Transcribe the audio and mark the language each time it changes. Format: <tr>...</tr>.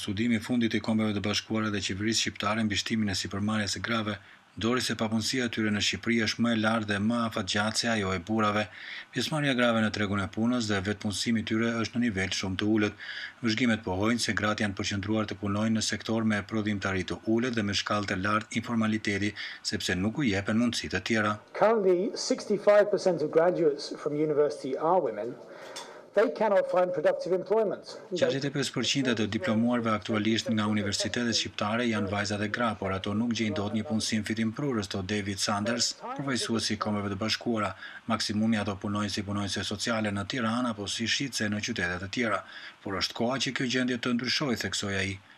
<sq>Studimi i fundit i Kombeve të Bashkuara dhe Qeverisë Shqiptare mbi shtimin e sipërmarrjes së grave dori se papunësia tyre në Shqipëri është më e lartë dhe më afatgjatë se ajo e burrave. Pjesëmarrja e grave në tregun e punës dhe vetëpunësimi tyre është në nivel shumë të ulët. Vëzhgimet pohojnë se gratë janë përqendruar të punojnë në sektor me prodhimtari të ulët dhe me shkallë të lartë informaliteti, sepse nuk u jepen mundësi të tjera.</sq> <en>Currently, 65% of graduates from university are women. They cannot find productive employment.</en> <sq>65% të diplomuarve aktualisht nga universitetet shqiptare janë vajzat e gra, por ato nuk gjejnë dot një punësim fitimprur, thot David Sanders, profesor i Kombeve të Bashkuara. Maksimumi ato punojnë si punonjëse sociale në Tiranë apo si shitse në qytete të tjera, por është koha që kjo gjendje të ndryshojë, theksoi ai.</sq>